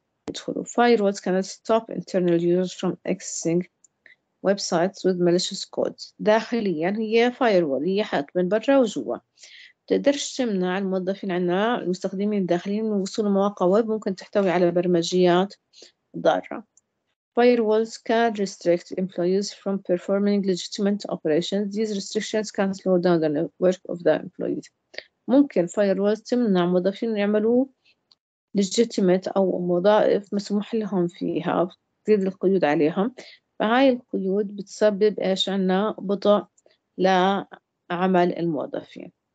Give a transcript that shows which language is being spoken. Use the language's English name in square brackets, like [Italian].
[Arabic] يدخلوا. [English] Firewalls cannot stop internal users from accessing websites with malicious codes. [Arabic] داخليا هي firewall، هي حائط بين برا وجوا، تقدرش تمنع الموظفين عنا المستخدمين الداخلين من وصول مواقع ويب ممكن تحتوي على برمجيات ضارة. [English] Firewalls can restrict employees from performing legitimate operations. These restrictions can slow down the work of the employees. [Arabic] ممكن firewalls تمنع موظفين يعملوا legitimate أو وظائف مسموح لهم فيها، تزيد القيود عليهم. فهاي القيود بتسبب إيش عنا؟ بطء لعمل الموظفين.